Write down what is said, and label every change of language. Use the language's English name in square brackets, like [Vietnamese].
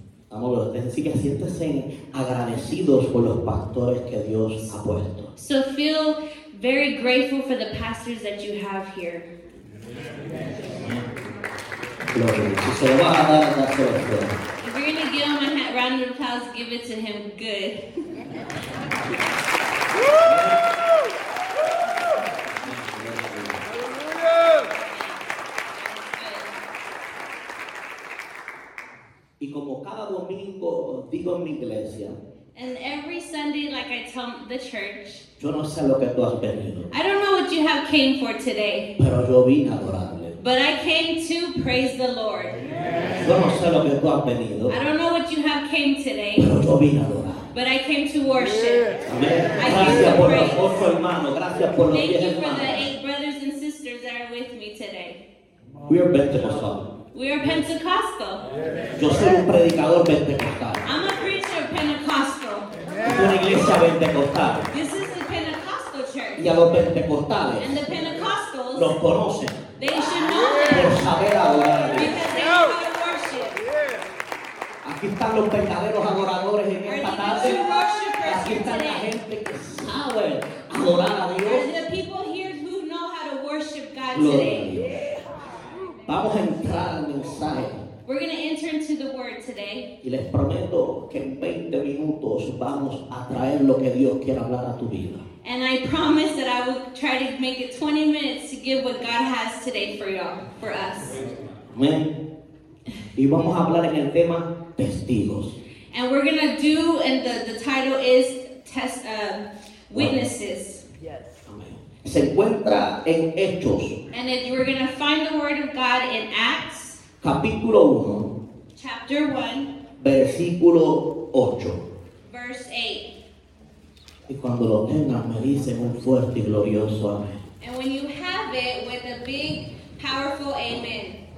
[Spanish] Amor, así que siéntese agradecidos por los pastores que Dios ha puesto. [English] So feel very grateful for the pastors that you have here. Amen. If you're going to give him a round of applause, give it to him good. [Spanish] Y como cada domingo digo en mi iglesia, [English] and every Sunday, like I tell the church, [Spanish] yo no sé lo que tú has venido. [English] I don't know what you have came for today. [Spanish] Pero yo vine a adorarle. [English] But I came to praise the Lord. Yes. [Spanish] Yo no sé lo que tú has venido. [English] I don't know what you have came today. [Spanish] Pero yo vine a adorar. [English] But I came to worship. [Spanish] Yes. Amen. Gracias por los ocho hermanos. Gracias por los diez hermanos. [English] Thank you for the eight brothers and sisters that are with me today. We are Pentecostal. We are Pentecostal. [Spanish] Yo soy un predicador pentecostal. [English] I'm a preacher pentecostal. [Spanish] Yeah. Una iglesia pentecostal. [English] This is the Pentecostal church. [Spanish] Y a los pentecostales. [English] And the Pentecostals. [Spanish] Los conocen. [English] They should know them. [Spanish] Por saber adorar a Dios. [English] Because they know how to worship. Yeah. [Spanish] Aquí están los verdaderos adoradores en esta tarde. Aquí están la gente que sabe adorar a Dios. [English] Are the people here who know how to worship God today? [Spanish] Vamos a entrar al mensaje. [English] We're going to enter into the word today. [Spanish] Y les prometo que en 20 minutos vamos a traer lo que Dios quiere hablar a tu vida. [English] And I promise that I will try to make it 20 minutes to give what God has today for y'all, for us. Amen. [Spanish] Y vamos a hablar en el tema testigos. [English] And we're going to do, and the title is witnesses. Yes. [Spanish] Se encuentra en Hechos. [English] And if we're going to find the word of God in Acts. [Spanish] Capítulo 1. [English] Chapter 1. [Spanish] Versículo 8. [English] Verse 8. [Spanish] Y cuando lo tengas me dicen un fuerte y glorioso amén. [English] And when you have it with a big, powerful amen.